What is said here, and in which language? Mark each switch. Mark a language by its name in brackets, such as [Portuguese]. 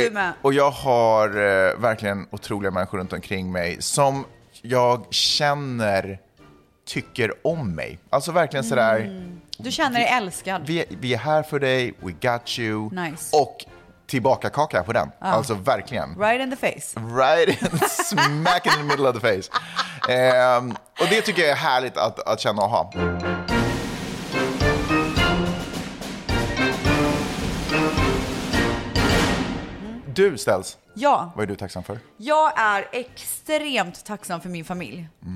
[Swedish] Du med. Och jag har verkligen otroliga människor runt omkring mig som jag känner tycker om mig. Alltså, verkligen sådär. Du känner dig älskad. Vi är här för dig, [English] we got you. Nice. [Swedish] Och tillbaka kaka på den. Oh. Alltså verkligen. [English] Right in the face. Right in, smack in the middle of the face. [Swedish] Och det tycker jag är härligt att känna och ha. Du, Ställs. Ja. Vad är du tacksam för? Jag är extremt tacksam för min familj. Mm.